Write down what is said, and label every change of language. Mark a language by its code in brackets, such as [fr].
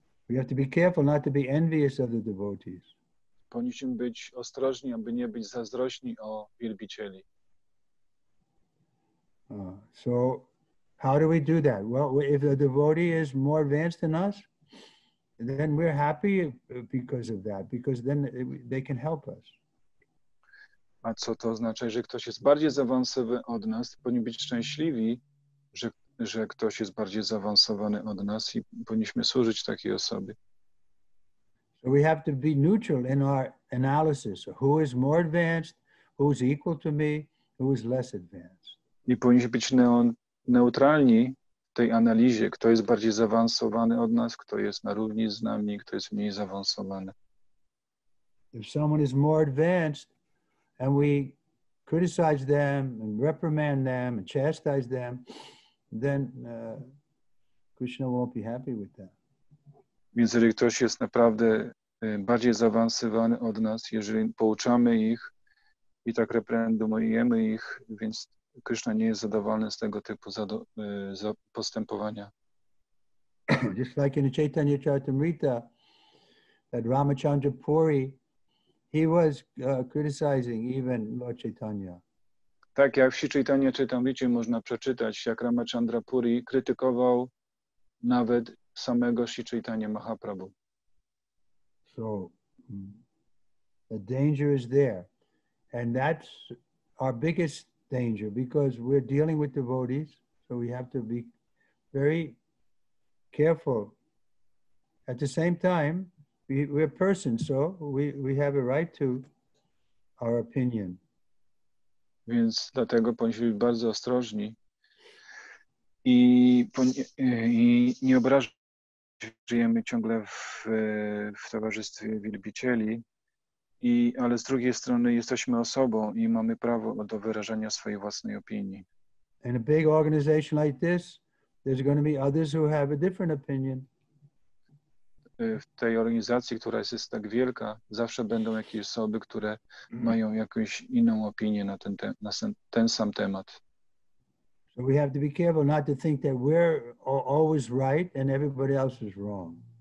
[en] We have to be careful not to be envious of the devotees. [pl] Powinniśmy być ostrożni, aby nie być zazdrośni o wielbicieli. [en] So how do we do that? Well, if the devotee is more advanced than us, then we're happy because of that, because then they can help us. [pl] A co to oznacza, że ktoś jest bardziej zaawansowany od nas, powinni być szczęśliwi, że ktoś jest bardziej zaawansowany od nas i powinniśmy służyć takiej osobie. [en] So we have to be neutral in our analysis. Who is more advanced? Who is equal to me? Who is less advanced? [pl] I powinniśmy być neutralni w tej analizie. Kto jest bardziej zaawansowany od nas? Kto jest na równi z nami? Kto jest mniej zaawansowany? [en] If someone is more advanced and we criticize them and reprimand them and chastise them, then Krishna won't be happy with that. [pl] Więc jeżeli ktoś jest naprawdę bardziej zaawansowany od nas, jeżeli pouczamy ich i tak reprendujemy ich, więc Krishna nie jest zadowolony z tego typu postępowania. [en] Just like in the Chaitanya Charitamrita, that Ramachandra Puri, he was criticizing even Lord Chaitanya. [pl] Tak jak w Chaitanya Charitamricie można przeczytać, jak Ramachandra Puri krytykował nawet samego Sri Chaitanya Mahaprabhu. [en] So the danger is there. And that's our biggest danger because we're dealing with devotees. So we have to be very careful. At the same time, we're persons, so we have a right to our opinion. [pl] Więc dlatego powinniśmy być bardzo ostrożni i nie obrażać. Żyjemy ciągle w towarzystwie wielbicieli, ale z drugiej strony jesteśmy osobą i mamy prawo do wyrażania swojej własnej opinii. [en] In a big organization like this, there's going to be others who have a different opinion. [pl] W tej organizacji, która jest tak wielka, zawsze będą jakieś osoby, które mają jakąś inną opinię na ten sam temat. [en] So we have to be careful not to think that we're always right and everybody else is wrong.